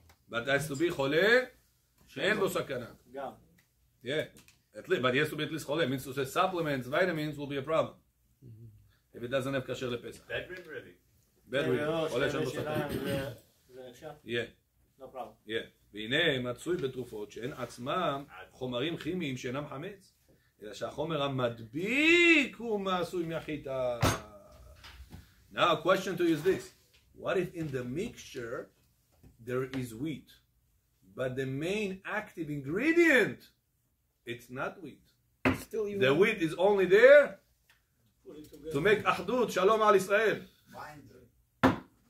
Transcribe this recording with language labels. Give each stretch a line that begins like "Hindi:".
English: But there has to be
Hebrew: חולה שאין בו סכנה. גם.
English: Yeah, at least, but yes to be at least חולה. Means to say supplements, vitamins will be a problem. If it doesn't have כשר לפסח. Bedridden.
Hebrew: חולה שאין בו סכנה. זה אפשר?
English: Yeah. No problem. Yeah.
Hebrew: והנה מצוי בתרופות שאין עצמם חומרים כימיים שאינם חמץ. אלא שהחומר המדביק הוא מעשוי מהחיטה.
English: Now, a question to you is this. What if in the mixture there is wheat, but the main active ingredient, it's not wheat. Still you the wheat is only there to make
Hebrew: achdut, shalom al Israel.
English: Binder.